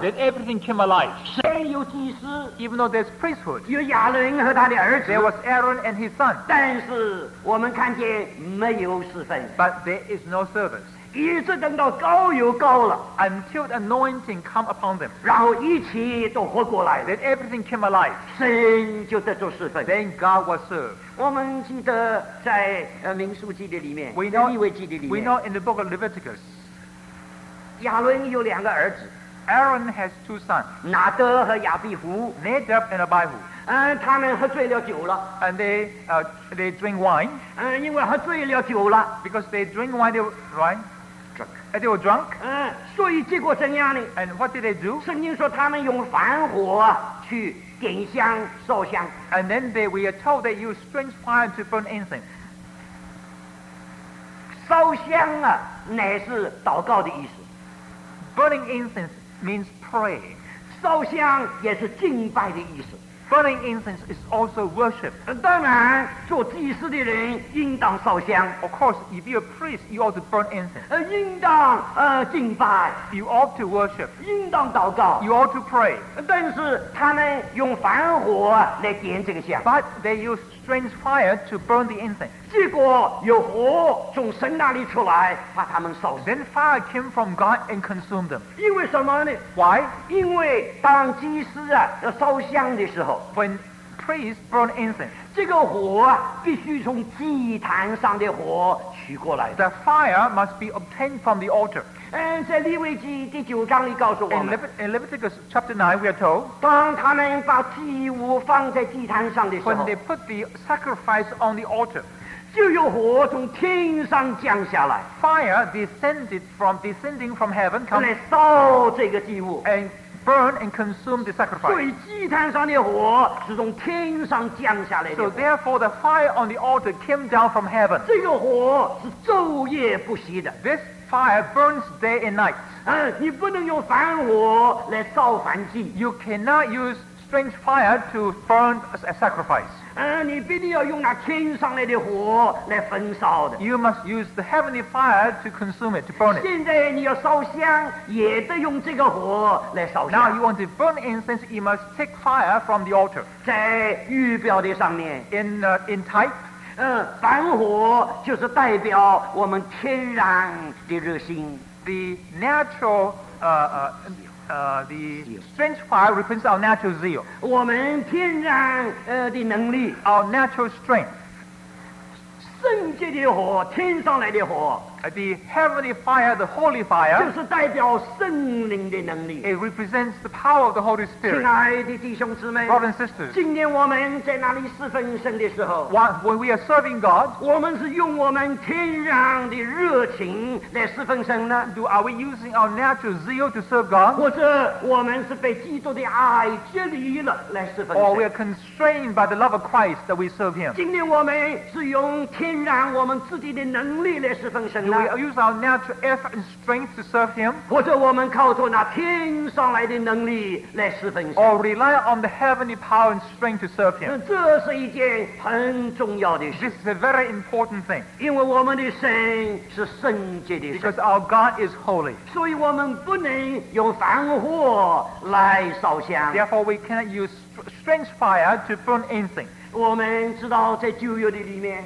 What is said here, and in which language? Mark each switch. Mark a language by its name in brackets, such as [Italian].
[English] then everything came alive even though there's priesthood [Chinese] 有亚伦和他的儿子 [English] there was Aaron and his son [Chinese] 但是我们看见没有侍奉 [English] but there is no service [Chinese] 一直等到膏油膏了 [English] until the anointing come upon them [Chinese] 然后一起都活过来 [English] then everything came alive [Chinese] 神就得着侍奉 [English] then God was served [Chinese] 我们记得在民数记的里面 [English] we know in the book of Leviticus [Chinese] 亚伦有两个儿子 [English] Aaron has two sons [Chinese] 拿德和亚比胡 [English] Nadab and Abihu [Chinese] 他们喝醉了酒了 [English] and they drink wine [Chinese] 因为喝醉了酒了 [English] because they drink wine they were drunk they were drunk [Chinese] 所以结果怎样呢 [English] and what did they do [Chinese] 圣经说他们用燔火去点香烧香 [English] and then we are told they use strange fire to burn incense [Chinese] 烧香啊乃是祷告的意思 [English] burning incense means pray [Chinese] 烧香也是敬拜的意思 [English] Burning incense is also worship. [Chinese] 当然，做祭司的人应当烧香。 [English] Of course, if you're a priest, you ought to burn incense. [Chinese] 应当敬拜。 [English] You ought to worship. [Chinese] 应当祷告。 [English] You ought to pray. [Chinese] 但是他们用燔火来点这个香。 [English] But they use strange fire to burn the incense. [Chinese] 结果有火从神那里出来，把他们烧死。 [English] Then fire came from God and consumed them. [Chinese] 因为什么呢 [English] ？Why? [Chinese] 因为当祭司啊要烧香的时候。 [English] When priests burn incense, [Chinese] 这个火必须从祭坛上的火取过来。 [English] The fire must be obtained from the altar. [Chinese] 在利未记第九章里告诉我们。 [English] In Leviticus chapter 9, we are told. [Chinese] 当他们把祭物放在祭坛上的时候。 [English] When they put the sacrifice on the altar, [Chinese] 就有火从天上降下来。 [English] Fire descending from heaven, come [Chinese] 来烧这个祭物。 [English] And burn and consume the sacrifice. [Chinese] 所以祭坛上的火是从天上降下来的。 [English] So therefore, the fire on the altar came down from heaven. [Chinese] 这个火是昼夜不息的。 [English] This fire burns day and night. [Chinese] 你不能用燔火来烧燔祭。 [English] You cannot use strange fire to burn a sacrifice. [Chinese] 你必定要用那天上来的火来焚烧的。 [English] You must use the heavenly fire to consume it, to burn it. [Chinese] 现在你要烧香，也得用这个火来烧香。 [English] Now you want to burn incense, you must take fire from the altar. [Chinese] 在预表的上面。 [English] In type. [Chinese] 燔火就是代表我们天然的热心。 [English] The natural, the strange fire represents our natural zeal [Chinese] 我们天然的能力 [English] our natural strength [Chinese] 圣洁的火天上来的火 [English] the heavenly fire the holy fire [Chinese] 就是代表圣灵的能力 [English] it represents the power of the Holy Spirit [Chinese] 亲爱的弟兄姊妹 [English] brothers and sisters [Chinese] 今天我们在那里侍奉神的时候 [English] when we are serving God [Chinese] 我们是用我们天然的热情来侍奉神呢 [English] are we using our natural zeal to serve God [Chinese] 或者我们是被基督的爱接离了来侍奉神 [English] or we are constrained by the love of Christ that we serve him [Chinese] 今天我们是用天然我们自己的能力来侍奉神呢 [English] do we use our natural effort and strength to serve him [Chinese] 或者我们靠着那天上来的能力来侍奉神 [English] or rely on the heavenly power and strength to serve him [Chinese] 这是一件很重要的事 [English] this is a very important thing [Chinese] 因为我们的神是圣洁的神 [English] because our God is holy [Chinese] 所以我们不能用燔火来烧香 [English] therefore we cannot use strange fire to burn anything [Chinese] 我们知道在旧约的里面